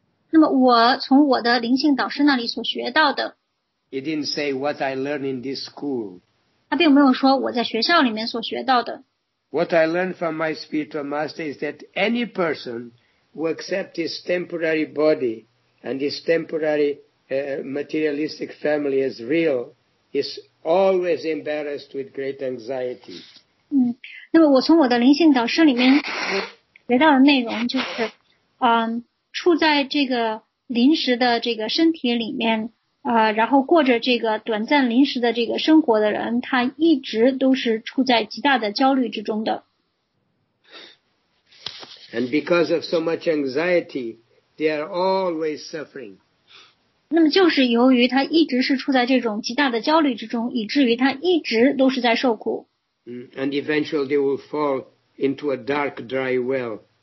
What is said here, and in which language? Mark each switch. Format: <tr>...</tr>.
<zh>那么我从我的灵性导师那里所学到的。</zh> <en>He didn't say what I learned in this school.</en> <zh>他并没有说我在学校里面所学到的。</zh> <en>What I learned from my spiritual master is that any person who accepts his temporary body and his temporary materialistic family as real,is always embarrassed with great anxiety.</en> <zh>那么我从我的灵性导师里面学到的内容就是，处在这个临时的这个身体里面，然后过着这个短暂临时的这个生活的人，他一直都是处在极大的焦虑之中的。</zh> <en>And because of so much anxiety, they are always suffering.</en> <zh>那么就是由于他一直是处在这种极大的焦虑之中，以至于他一直都是在受苦。</zh> <en>And eventually they will fall into a dark, dry well.</en>